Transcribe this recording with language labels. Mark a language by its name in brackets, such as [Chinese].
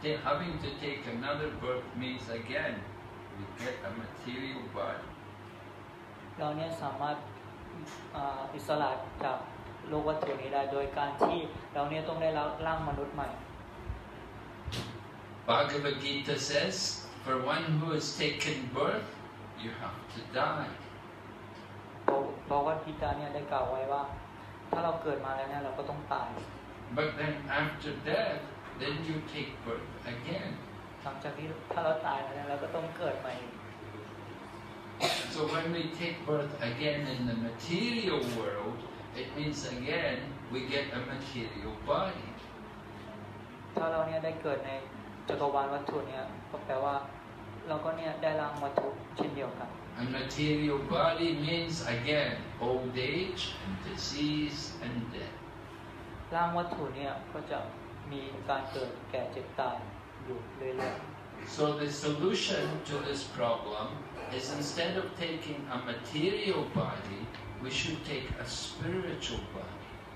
[English] Having to take another birth means again, we get a material body. [Thai] เราเนี่ยสามารถอิสระจากโลกวัตถุนี้ได้โดยการที่เราเนี่ยต้องได้รับร่างมนุษย์ใหม่ [English] Bhagavad Gita says, for one who has taken birth, you have to die. [Thai] Bhagavad Gita เนี่ยได้กล่าวไว้ว่าถ้าเราเกิดมาแล้วเนี่ยเราก็ต้องตาย [English] But then after death then you take birth again [Thai] หลังจากที่ถ้าเราตายแล้วเนี่ยเราก็ต้องเกิดใหม่ [English] So when we take birth again in the material world it means again we get a material body [Thai] ถ้าเราเนี่ยได้เกิดในจักรวาลวัตถุเนี่ยก็แปลว่าเราก็เนี่ยได้ร่างวัตถุเช่นเดียวกัน [English] A material body means again old age and disease and death. [Thai] ร่างวัตถุเนี่ยก็จะมีการเกิดแก่เจ็บตายอยู่เรื่อย [English] ๆ So the solution to this problem is instead of taking a material body, we should take a spiritual body.